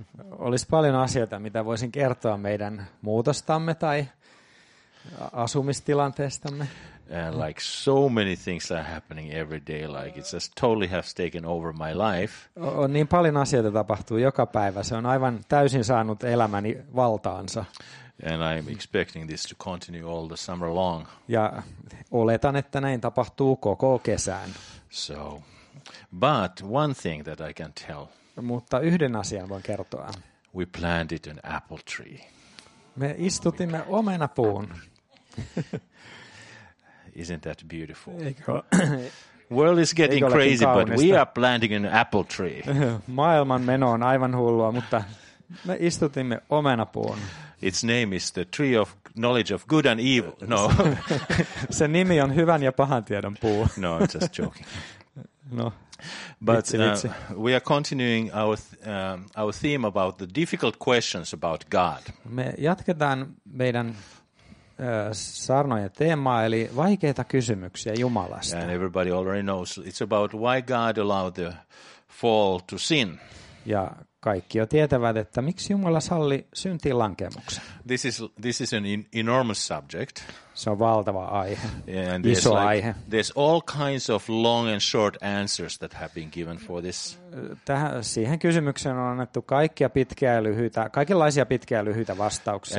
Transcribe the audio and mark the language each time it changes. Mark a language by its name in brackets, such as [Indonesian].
[Finnish] Olisi paljon asioita, mitä voisin kertoa meidän muutostamme tai asumistilanteestamme. [English] Like so many things are happening every day, like it just totally has taken over my life. [Finnish] On niin paljon asioita tapahtuu joka päivä, se on aivan täysin saanut elämäni valtaansa. [English] And I'm expecting this to continue all the summer long. [Finnish] Ja oletan, että näin tapahtuu koko kesään. [English] So, but one thing that I can tell. [Finnish] Mutta yhden asian voin kertoa. [English] We planted an apple tree. [Finnish] Me istutimme omenapuun. [English] Isn't that beautiful? World is getting crazy, but we are planting an apple tree. [Finnish] Maailman meno on aivan hullua, mutta me istutimme omenapuun. [English] Its name is the tree of knowledge of good and evil. No. [Finnish] Se nimi on hyvän ja pahan tiedon puu. [English] No, I'm just joking. No. But we are continuing our theme about the difficult questions about God. [Finnish] Me jatketaan meidän sarnojen teemaa, eli vaikeita kysymyksiä Jumalasta. [English] And everybody already knows it's about why God allowed the fall to sin. [Finnish] Ja kaikki jo tietävät, että miksi Jumala salli syntiin lankemuksen. [English] This is an enormous subject. [Finnish] Se on valtava aihe. [English] And [Finnish] iso [English] like, [Finnish] aihe. [English] There's all kinds of long and short answers that have been given for this. [Finnish] Siihen kysymykseen on annettu kaikkia pitkiä ja lyhyitä, kaikenlaisia pitkiä ja lyhyitä vastauksia.